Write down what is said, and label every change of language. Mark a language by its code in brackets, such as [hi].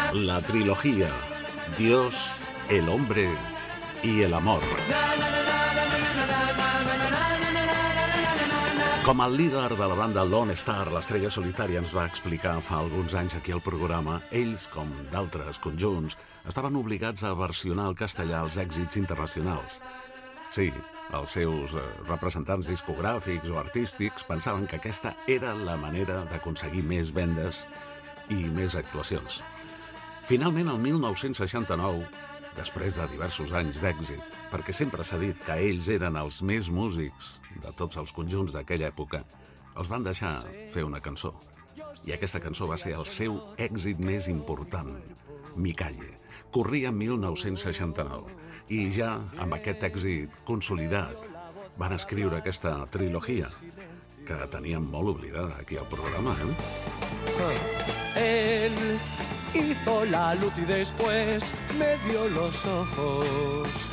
[es] la trilogía Dios, el hombre y el amor. [ca] Com el líder de la banda Lone Star, l'estrella solitària ens va explicar fa alguns anys aquí al programa, ells, com d'altres conjunts, estaven obligats a versionar al castellà els èxits internacionals. Sí, els seus representants discogràfics o artístics pensaven que aquesta era la manera d'aconseguir més vendes i més actuacions. Finalment, el 1969, després de diversos anys d'èxit, perquè sempre s'ha dit que ells eren els més músics de tots els conjunts d'aquella època, els van deixar fer una cançó. I aquesta cançó va ser el seu èxit més important, Mi Calle. Corria 1969. I ja amb aquest èxit consolidat van escriure aquesta trilogia, que teníem molt oblidada aquí al programa, eh? [es] El hizo la luz y después me dio los ojos.